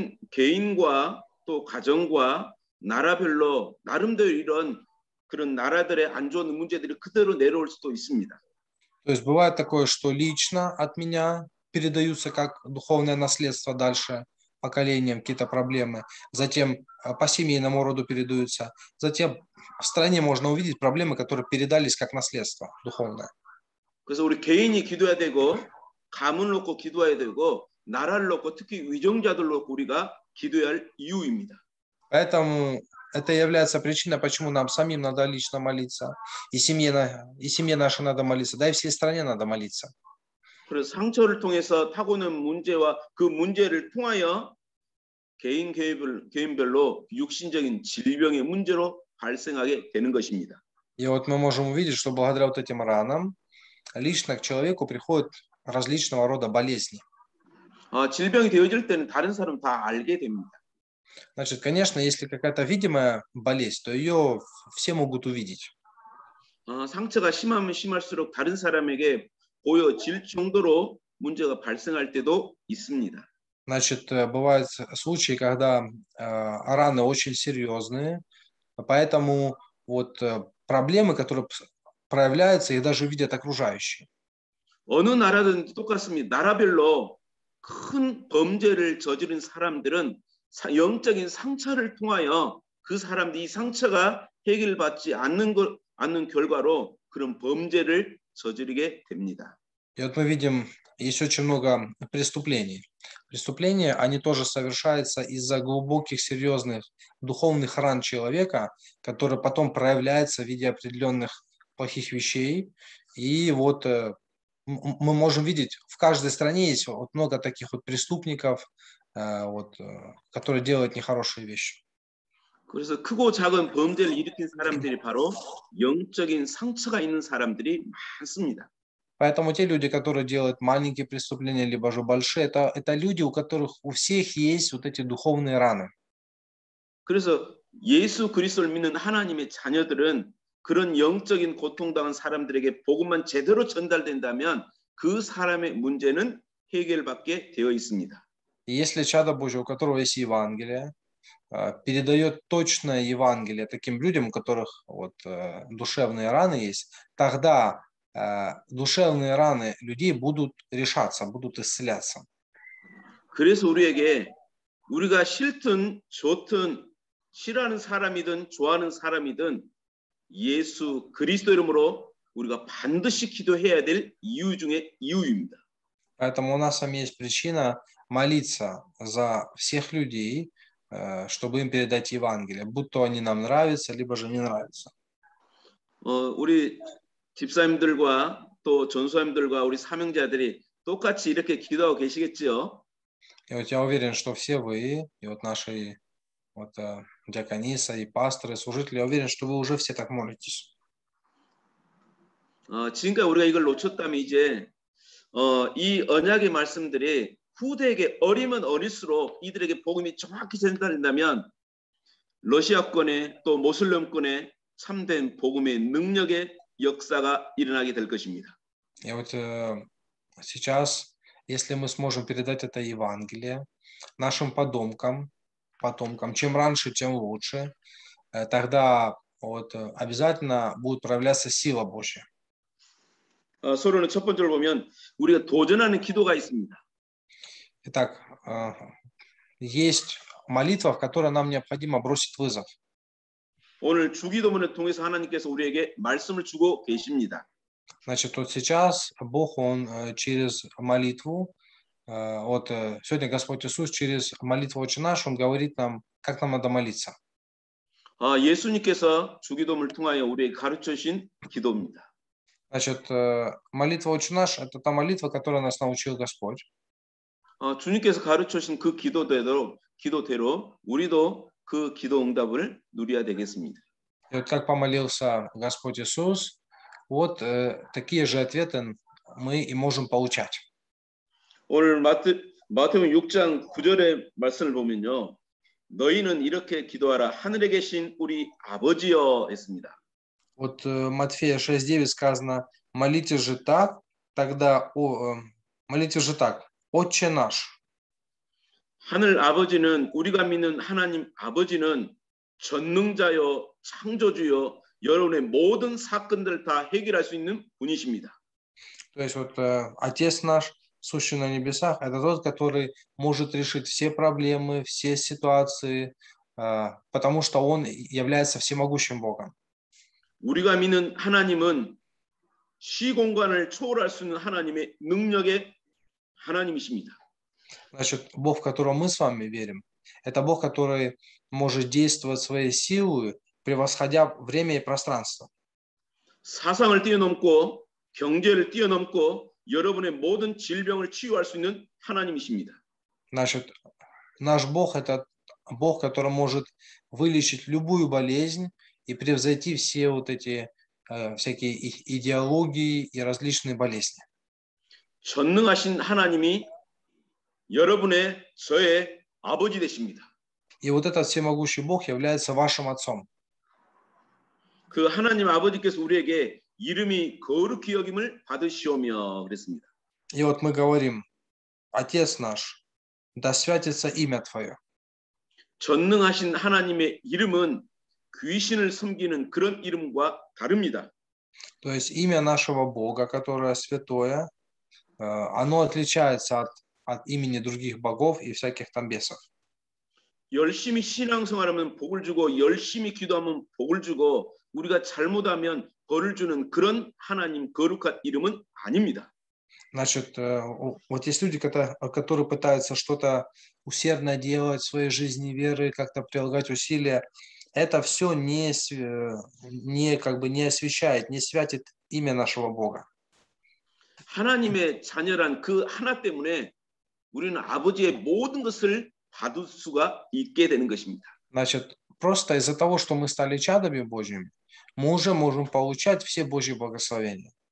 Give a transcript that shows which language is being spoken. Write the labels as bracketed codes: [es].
[ko] 개인과 또 가정과 나라별로 나름대로 이런 그런 나라들의 안 좋은 문제들이 그대로 내려올 수도 있습니다. [ru] То есть бывает такое, что лично от меня передаются как духовное наследство дальше поколениям какие-то проблемы, затем по семейному роду передаются, затем в стране можно увидеть проблемы, которые передались как наследство духовное. [ko] 그래서 우리 개인이 기도해야 되고 가문을 놓고 기도해야 되고 나라를 놓고 특히 위정자들 놓고 우리가 기도할 이유입니다. [ru] Поэтому это является причиной, почему нам самим надо лично молиться, и семье нашей надо молиться, да и всей стране надо молиться. [ko] 그래서 상처를 통해서 타고난 문제와 그 문제를 통하여 개인별로 육신적인 질병의 문제로 발생하게 되는 것입니다. [ru] И вот мы можем увидеть, что благодаря вот этим ранам лично к человеку приходят различного рода болезни. [ko] 질병이 되어질 때는 다른 사람 다 알게 됩니다. [ru] Значит, конечно, если какая-то видимая болезнь, то ее все могут увидеть. [ko] 상처가 심하면 심할수록 다른 사람에게 보여질 정도로 문제가 발생할 때도 있습니다. [ru] Значит, бывают случаи, когда раны очень серьезные, поэтому вот проблемы, которые проявляются, их даже видят окружающие. [ko] 어느 나라든지 똑같습니다. 나라별로 큰 범죄를 저지른 사람들은 영적인 상처를 통하여 그 사람들이 이 상처가 해결받지 않는 걸 않는 결과로 그런 범죄를 저지르게 됩니다. [ru] И вот мы видим, есть очень много преступлений. Преступления, они тоже совершаются из-за глубоких, серьезных духовных ран человека, которые потом проявляются в виде определенных плохих вещей. И вот мы можем видеть, в каждой стране есть вот много таких вот преступников, вот, которые делают нехорошие вещи. [ko] 그래서 크고 작은 범죄를 일으킨 사람들이 바로 영적인 상처가 있는 사람들이 많습니다. [ru] Поэтому те люди, которые делают маленькие преступления либо же большие, это люди, у которых у всех есть вот эти духовные раны. [ko] 그래서 예수 그리스도를 믿는 하나님의 자녀들은 그런 영적인 고통당한 사람들에게 복음만 제대로 전달된다면 그 사람의 문제는 해결받게 되어 있습니다. [ru] Если чадо Божие, у которого есть Евангелие, передает точное Евангелие таким людям, у которых вот душевные раны есть, тогда душевные раны людей будут решаться, будут исцеляться. [ko] 그래서 우리에게 우리가 싫든 좋든 싫어하는 사람이든 좋아하는 사람이든 예수 그리스도 이름으로 우리가 반드시 기도해야 될 이유 중에 이유입니다. [ru] Поэтому у нас есть причина молиться за всех людей, чтобы им передать Евангелие, будь то они нам нравятся, либо же не нравятся. [ko] 우리 집사님들과 또 전사님들과 우리 사명자들이 똑같이 이렇게 기도하고 계시겠지요? [ru] Вот я уверен, что все вы, и вот наши вот диакониса и пасторы, служители, я уверен, что вы уже все так молитесь. [ko] 지금까지 우리가 이걸 놓쳤다면 이제 이 언약의 말씀들이 후대에게 어리면 어릴수록 이들에게 복음이 정확히 전달된다면 러시아권에 또 모슬렘권에 참된 복음의 능력의 역사가 일어나게 될 것입니다. [ru] И вот сейчас, если мы сможем передать это Евангелие нашим потомкам, чем раньше, тем лучше, тогда вот обязательно будет проявляться сила Божья. [ko] 서론의 첫 번째를 보면 우리가 도전하는 기도가 있습니다. [ru] Итак, есть молитва, в которой нам необходимо бросить вызов. [ko] 오늘 주기도문을 통해서 하나님께서 우리에게 말씀을 주고 계십니다. [ru] Значит, вот сейчас Бог, Он через молитву, вот сегодня Господь Иисус через молитву Отче наш, Он говорит нам, как нам надо молиться. [ko] 예수님께서 주기도문을 통하여 우리에게 가르쳐주신 기도입니다. [ru] Значит, молитва Отче наш, это та молитва, которую нас научил Господь. [ko] 주님께서 가르쳐주신 그 기도대로 우리도 그 기도 응답을 누려야 되겠습니다. [ru] Вот как помолился Господь Иисус, вот такие же ответы мы и можем получать. [ko] 오늘 마태복음 6장 9절의 말씀을 보면요. 너희는 이렇게 기도하라. 하늘에 계신 우리 아버지여 했습니다. [ru] Вот Матфея 6:9 сказано: молитесь же так, тогда молитесь же так. Отче наш. [ko] 하늘 아버지는 우리가 믿는 하나님 아버지는 전능자요 창조주요 여러분의 모든 사건들 다 해결할 수 있는 분이십니다. [ru] То есть вот отец наш, сущий на небесах, это тот, который может решить все проблемы, все ситуации, потому что он является всемогущим Богом. [ko] 우리가 믿는 하나님은 시공간을 초월할 수 있는 하나님의 능력의 하나님이십니다. [ru] Значит, Бог, в которого мы с вами верим, это Бог, который может действовать своей силой, превосходя время и пространство. [ko] 사상을 뛰어넘고 경제를 뛰어넘고 여러분의 모든 질병을 치유할 수 있는 하나님이십니다. [ru] Значит, наш Бог это Бог, который может вылечить любую болезнь и превзойти все вот эти всякие идеологии и различные болезни. [ko] 전능하신 하나님이 여러분의 저의 아버지 되십니다. [ru] И вот этот всемогущий Бог является вашим отцом. [ko] 그 하나님 아버지께서 우리에게 이름이 거룩히 여김을 받으시오며 그랬습니다. [ru] И вот мы говорим: Отец наш, да святится имя твое. [ko] 전능하신 하나님의 이름은 귀신을 섬기는 그런 이름과 다릅니다. [ru] То есть имя нашего Бога, которое святое, оно отличается от, от имени других богов и всяких там бесов. [ko] 열심히 신앙생활하면 복을 주고 열심히 기도하면 복을 주고 우리가 잘못하면 벌을 주는 그런 하나님 거룩한 이름은 아닙니다. [ru] Значит, вот есть люди, которые пытаются что-то усердно делать в своей жизни, веры, как-то прилагать усилия. Это все не освещает, не святит имя нашего Бога. [ko] 하나님의 자녀란 그 하나 때문에 우리는 아버지의 모든 것을 받을 수가 있게 되는 것입니다. [ru] Значит, просто из-за того, что мы стали чадами Божьими, мы уже можем получать все Божьи благословения.